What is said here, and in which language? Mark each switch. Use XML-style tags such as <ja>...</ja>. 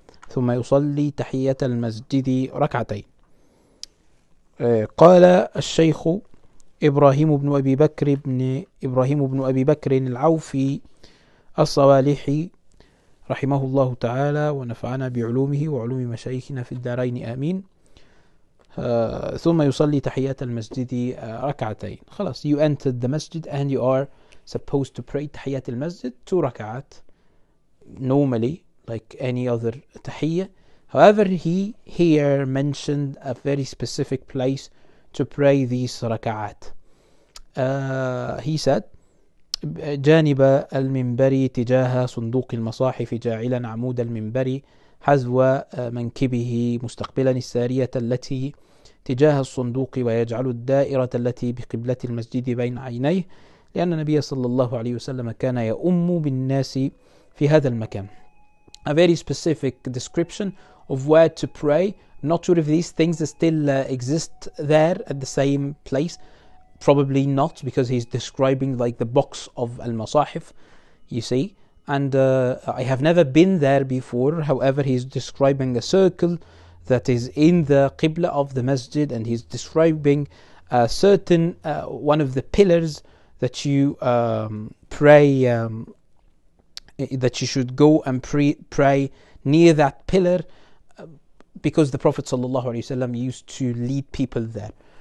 <ar>ثم يصلي تحية المسجد ركعتين. قال الشيخ إبراهيم بن أبي بكر بن إبراهيم بن أبي بكر العوفي الصوالحي رحمه الله تعالى ونفعنا بعلومه وعلوم مشايخنا في الدارين آمين. ثم يصلي تحيات المسجد ركعتين.</ar> <en>خلاص, you entered the masjid and you are supposed to pray تحيات المسجد two ركعات normally like any other تحية. However, he here mentioned a very specific place to pray these ركعات. He said</en> <ar>جانب المنبر تجاه صندوق المصاحف جاعلا عمود المنبر حذو منكبه مستقبلا السارية التي تجاه الصندوق ويجعل الدائرة التي بقبلة المسجد بين عينيه, لأن النبي صلى الله عليه وسلم كان يؤم بالناس في هذا المكان.</ar> <en>A very specific description of where to pray. Not sure if these things still exist there at the same place. Probably not, because he's describing like the box of al-masahif, you see. And I have never been there before. However, he's describing a circle that is in the qibla of the masjid, and he's describing a certain one of the pillars that you pray, that you should go and pray near that pillar, because the Prophet sallallahu alaihi wasallam used to lead people there.</en>